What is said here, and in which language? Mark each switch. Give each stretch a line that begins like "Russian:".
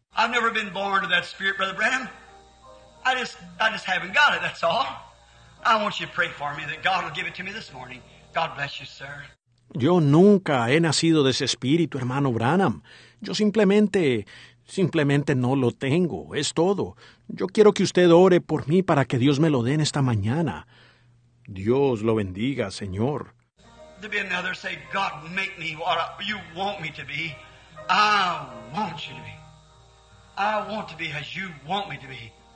English: I've never been born to that spirit, Brother Branham. I just haven't got it, that's all. I want you to pray for me that God will give it to me this morning. God bless you, sir.
Spanish: Yo nunca he nacido de ese espíritu, hermano Branham. Yo simplemente no lo tengo. Es todo. Yo quiero que usted ore por mí para que Dios me lo dé en esta mañana. Dios lo bendiga, Señor.
English: There'd be another say, God, make me what you want me to be. I want you to be. I want to be as you want me to be.